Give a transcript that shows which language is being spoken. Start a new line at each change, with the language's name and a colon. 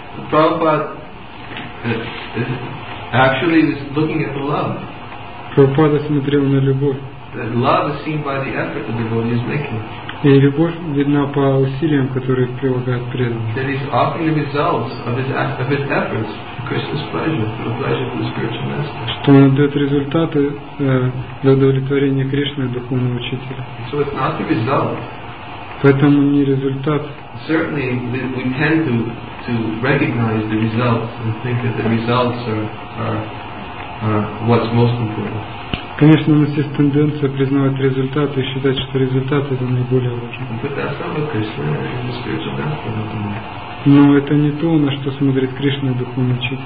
Russian: Прабхупада смотрел на любовь.
English: Love is seen by the effort that the devotee is making.
Russian: И любовь видна по усилиям, которые прилагает преданный.
English: That is often the results of his efforts for Krishna's pleasure, for the pleasure of the spiritual master.
Russian: Что он дает результаты для удовлетворения Кришны, духовного учителя.
English: So it's not the result.
Russian: Поэтому не результат.
English: Certainly, we tend to recognize the results and think that the results are what's most important.
Russian: Конечно, у нас есть тенденция признавать результаты и считать, что результаты это наиболее важно. Но это не то, на что смотрит Кришна и духовный